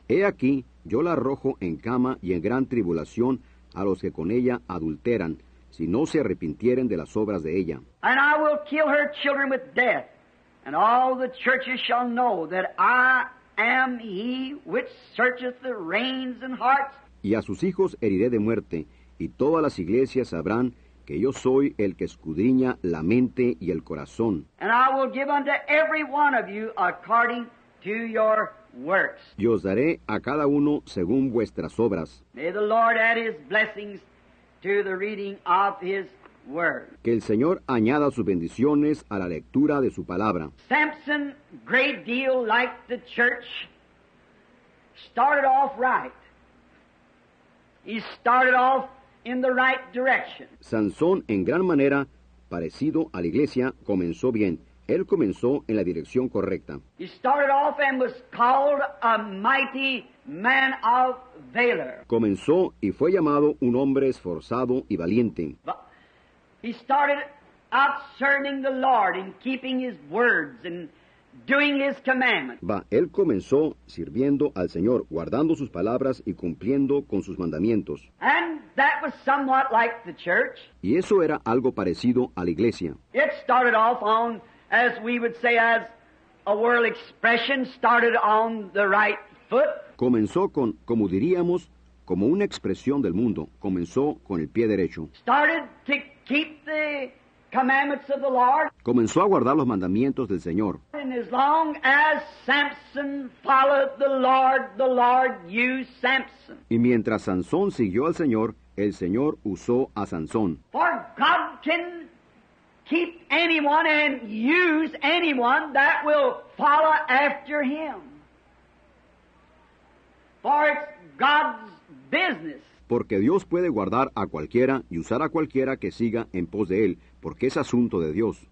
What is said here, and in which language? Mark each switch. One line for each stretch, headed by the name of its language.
Spanish: He aquí, yo la arrojo en cama y en gran tribulación a los que con ella adulteran, si no se arrepintieren de las obras de ella.
English: And I will kill her children with death, and all the churches shall know that I am he which searcheth the reins and hearts.
Spanish: Y a sus hijos heriré de muerte, y todas las iglesias sabrán que yo soy el que escudriña la mente y el corazón.
English: And I will give unto every one of you according to your works.
Spanish: Y os daré a cada uno según vuestras obras.
English: May the Lord add his blessings to the reading of his word.
Spanish: Que el Señor añada sus bendiciones a la lectura de su palabra.
English: Samson, great deal like the church, started off right. He started off in the right direction.
Spanish: Sansón, en gran manera, parecido a la iglesia, comenzó bien. Él comenzó en la dirección correcta.
English: He started off and was called a mighty man of valor.
Spanish: Comenzó y fue llamado un hombre esforzado y valiente.
English: He started out serving the Lord and keeping his words and doing his commandments.
Spanish: Él comenzó sirviendo al Señor, guardando sus palabras y cumpliendo con sus mandamientos.
English: And that was somewhat like the church.
Spanish: Y eso era algo parecido a la iglesia.
English: It started off on, as we would say, as a world expression, started on the right foot.
Spanish: Comenzó con, como diríamos, como una expresión del mundo. Comenzó con el pie derecho.
English: Started to keep the commandments of the Lord.
Spanish: Comenzó a guardar los mandamientos del Señor.
English: And as long as Samson followed the Lord used Samson.
Spanish: Y mientras Sansón siguió al Señor, el Señor usó a Sansón.
English: For God can keep anyone and use anyone that will follow after him. For it's God's business.
Spanish: Porque Dios puede guardar a cualquiera y usar a cualquiera que siga en pos de él, porque es asunto de Dios.